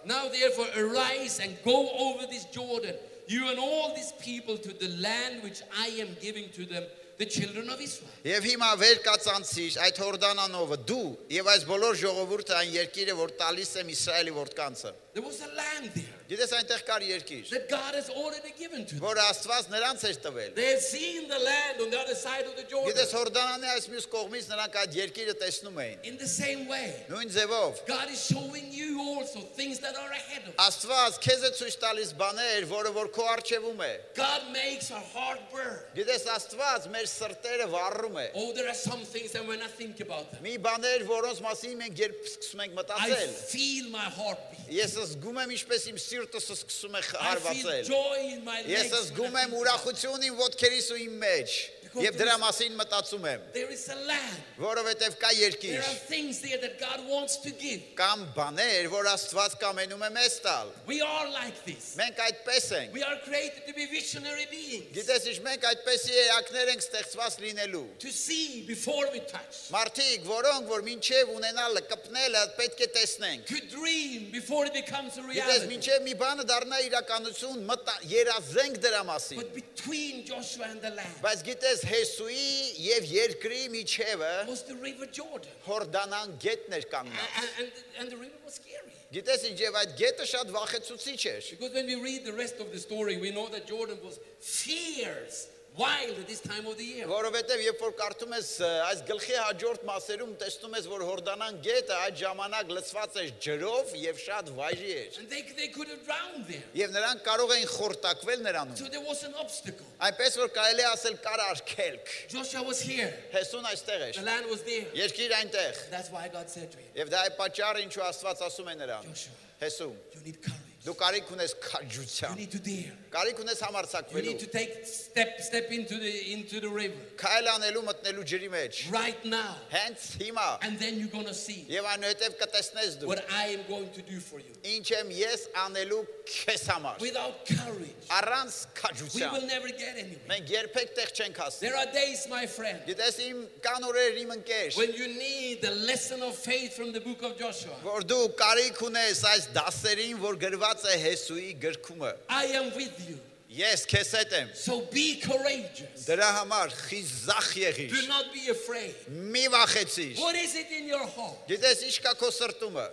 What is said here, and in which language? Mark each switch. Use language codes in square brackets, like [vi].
[en] Now therefore arise and go over this Jordan, you and all these people, to the land which I am giving to them, the children of Israel. [hy] Եվ հիմա վեր կացանցիր այդ Հորդանանովը դու եւ այս բոլոր ժողովուրդը այն երկիրը որ տալիս եմ Իսրայելի որդկանցը. [en] There was a land there. [hy] Գիտես այնտեղ կար երկիր. [en] That God has already given to them. [hy] Որ Աստված նրանց էր տվել. [en] They have seen the land on the other side of the Jordan. [hy] Գիտես Հորդանանի այս մյուս կողմից նրանք այդ երկիրը տեսնում էին. [en] In the same way. [hy] Նույն ձևով. [en] God is showing you also things that are ahead of you. [hy] Աստված քեզ է ցույց տալիս բաներ, որը որ քո առջևում է. [en] God makes a hard work. [hy] Գիտես Աստված մեր սրտերը վառում է. [en] Oh, there are some things that when I think about them. [hy] Մի բաներ, որոնց մասին մենք երբ սկսում ենք մտածել. [en] I feel my heartbeat. [hy] Ես զգում եմ ինչպես իմ սիրտս սկսում է հարվածել։ Ես զգում եմ ուրախություն իմ ոտքերիս ու իմ մեջ։ Եվ դրա մասին մտածում եմ։ Որովհետև կա երկիր։ Կամ բաներ, որ Աստված կամենում է մեզ տալ։ Մենք այդպես ենք։ Գիտես ինչ, մենք այդպեսի էակներ ենք ստեղծված լինելու։ Մարդիկ, որոնք որ մինչև ունենալը կպնելը պետք է տեսնենք։ Գիտես ինչ, մի բանը դառնա իրականություն, մտա երազենք դրա մասին։ Բայց գիտես Հեսուի եւ երկրի միջեւը Հորդանան գետն էր կանգնած։ Գիտես ինչ, եւ այդ գետը շատ վախեցուցիչ էր։ [en] Because when we read the rest of the story, we know that Jordan was fierce wild at this time of the year. [hy] Որովհետեւ երբ որ կարդում ես այս գլխի հաջորդ մասերում, տեսնում ես, որ Հորդանան գետը այդ ժամանակ լցված էր ջրով եւ շատ վայրի էր։ [en] And they could have drowned there. [hy] Եվ նրանք կարող էին խորտակվել նրանում։ [en] So there was an obstacle. [hy] Այնպես որ կարելի ասել կար արգելք։ [en] Joshua was here. [hy] Հեսուն այստեղ էր։ [en] The land was there. [hy] Երկիրը այնտեղ։ [en] That's why God said to him. [hy] Եվ դա է պատճառը, ինչու Աստված ասում է նրան։ Հեսուն, [en] you need courage. [hy] Դու կարիք ունես քաջության։ [en] You need to dare. [hy] Կարիք ունես համարձակվելու։ [en] You need to take step into the river. [hy] Քայլ անելու, մտնելու ջրի մեջ։ [en] Right now. [hy] Հենց հիմա։ [en] And then you're going to see. [hy] Եվ այնուհետև կտեսնես դու։ [en] What I am going to do for you. [hy] Ինչ եմ ես անելու քեզ համար։ [en] Without courage. [hy] Առանց քաջության։ [en] We will never get anywhere. [hy] Մենք երբեք տեղ չենք հասնի։ [en] There are days, my friend. [hy] Գիտես իմ կան օրեր իմ ընկեր։ [en] When you need the lesson of faith from the book of Joshua. [hy] Որ դու կարիք ունես այս դասերին, որ գրված ծե Հեսուի գրքումը. [en] I am with you. [hy] Yes, քեզ հետ եմ. [en] So be courageous. [hy] Դրա համար խիզախ եղիր. [en] Do not be afraid. [hy] Մի վախեցիր. [en] What is it in your heart? [hy] Գիտես ինչ կա քո սրտումը?